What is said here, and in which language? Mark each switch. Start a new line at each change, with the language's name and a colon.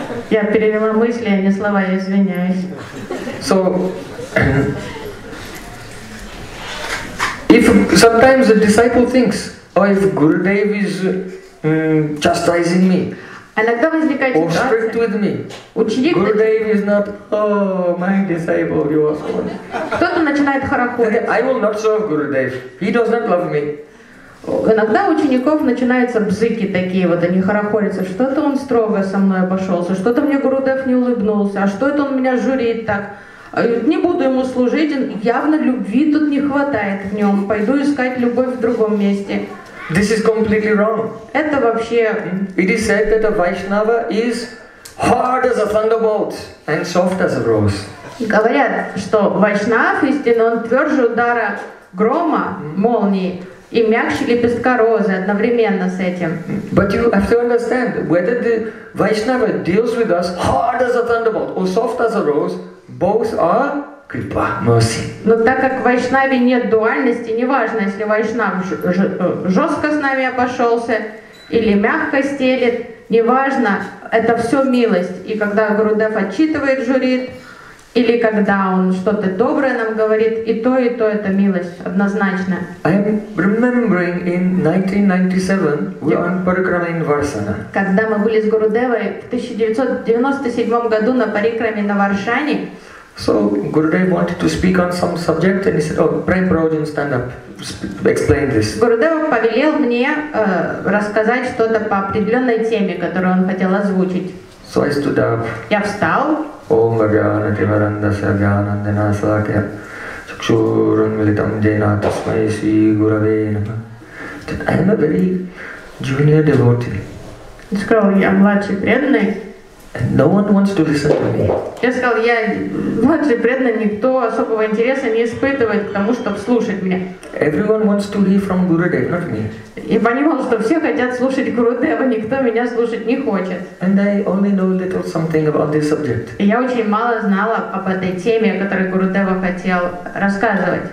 Russian: Я перевела мысли, а не слова, я извиняюсь.
English: So, if sometimes a disciple thinks, oh, if Gurudev is chastising me,
Russian: иногда возникает ситуация,
English: or strict with me,
Russian: ученик,
English: Gurudev is not, oh, my disciple, you are one.
Russian: Кто-то начинает хорохориться.
English: I will not serve Gurudev, he does not love me.
Russian: Иногда у учеников начинаются бзыки такие, вот они хорохорятся, что-то он строго со мной обошелся, что-то мне Гурудев не улыбнулся, а что это он меня журит так? Не буду ему служить, явно любви тут не хватает в нем, пойду искать любовь в другом месте.
English: This is completely wrong.
Russian: Это вообще...
English: It is said that a Vaishnava is hard as a thunderbolt and soft as a rose.
Russian: Говорят, что Вайшнав истинно, он тверже удара грома, молнии, и мягче лепестка розы одновременно с этим.
English: But you have to understand, whether the Vaishnava deals with us hard as a thunderbolt or soft as a rose, both are kripa, mercy.
Russian: Но так как в Вайшнаве нет дуальности, неважно, если Вайшнав жестко с нами обошелся или мягко стелит, неважно, это все милость. И когда Гурудев отчитывает, журит, или когда он что-то доброе нам говорит, и то это милость, однозначно.
English: I'm remembering in 1997, we were on Parikrama in Varsana.
Russian: Когда мы были с Гурудевой в 1997 году на Парикраме на Варшане.
English: So Gurudev wanted to speak on some subject and he said, oh, Prem Prabhujan, stand up, explain this.
Russian: Гурудев повелел мне рассказать что-то по определенной теме, которую он хотел озвучить.
English: So I stood up.
Russian: Я встал.
Sanskrit: Om Vajana Tivaranda Sajana Dana Sakya Chakshurun Militam Jena Tasmai Sri Gurave Nama.
English: That I am a very junior devotee.
Russian: Я сказал, я младший преданный.
English: And no one wants to listen to me.
Russian: Я сказал, я младший преданный, никто особого интереса не испытывает к тому, чтобы слушать меня.
English: Everyone wants to hear from Gurudev, not me.
Russian: И понимал, что все хотят слушать Гурудева, никто меня слушать не хочет.
English: And I only know little something about this subject.
Russian: И я очень мало знала об этой теме, о которой Гурудева хотел рассказывать.